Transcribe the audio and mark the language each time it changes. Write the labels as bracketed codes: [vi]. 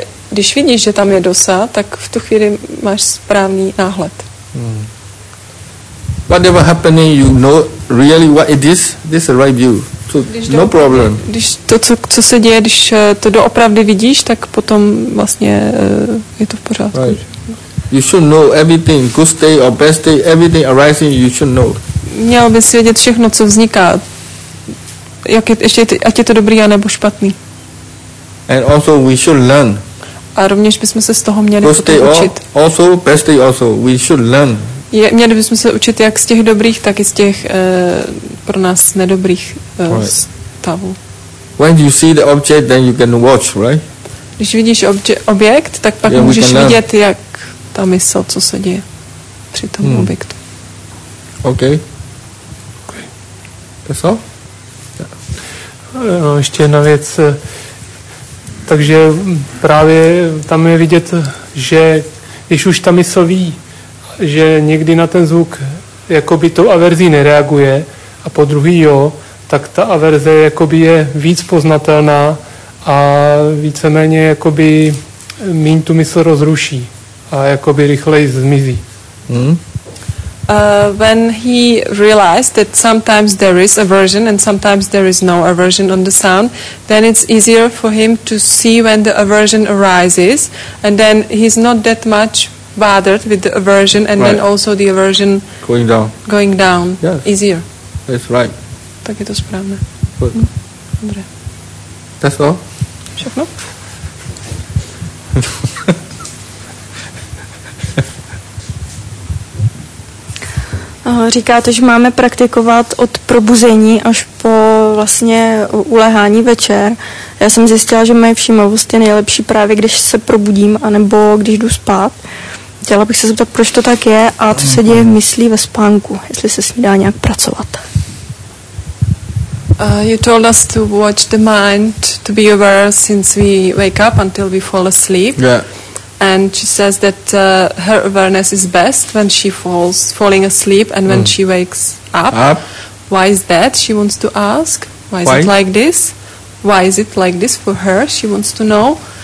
[cs] Když vidíš, že tam je dosa, tak v tu chvíli máš správný náhled. [en] Whatever happening, you know really what it is. This is a right view. So, no problem. [cs] Když to, co se děje, když to doopravdy vidíš, tak potom vlastně je to v pořádku. [en] Right. You should know everything, good day or bad day, everything arising, you should know. [cs] Měl bys vědět všechno, co vzniká. Ať je to dobrý, anebo špatný. [en] And also we should learn. [cs] A rovněž bychom se z toho měli [en] good [cs] potom učit. [en] Also, best day also, we should learn. [cs] Měli bychom se učit jak z těch dobrých, tak i z těch pro nás nedobrých stavů. [en] When you see the object, then you can watch, right? [cs] Když vidíš objekt, tak pak můžeš vidět, jak ta mysl, co se děje při tom objektu. [en] Okay. That's all? [cs] No, ještě jedna věc. Takže právě tam je vidět, že když už ta mysl ví, že někdy na ten zvuk jakoby tou averzí nereaguje a po druhý jo, tak ta averze jakoby je víc poznatelná a víceméně jakoby míň tu mysl rozruší a jakoby rychleji zmizí. [en] When he realized that sometimes there is aversion and sometimes there is no aversion on the sound, then it's easier for him to see when the aversion arises and then he's not that much bothered with the aversion and then also the aversion going down yes. Easier. That's right. [cs] Tak je to správné. [en] Good. [cs] Dobré. [en] That's all? [cs] Všechno? Říkáte, že máme praktikovat od probuzení až po vlastně ulehání večer. Já jsem zjistila, že moje všímavost je nejlepší právě, když se probudím anebo když jdu spát. Chtěla bych se zeptat, proč to tak je a co se děje v myslí ve spánku, jestli se s ní dá nějak pracovat. [en] You told us to watch the mind, to be aware since we wake up until we fall asleep. Yeah. And she says that her awareness is best when she falling asleep and when she wakes up. Why is that? She wants to ask. Why is it like this? Why is it like this for her? She wants to know.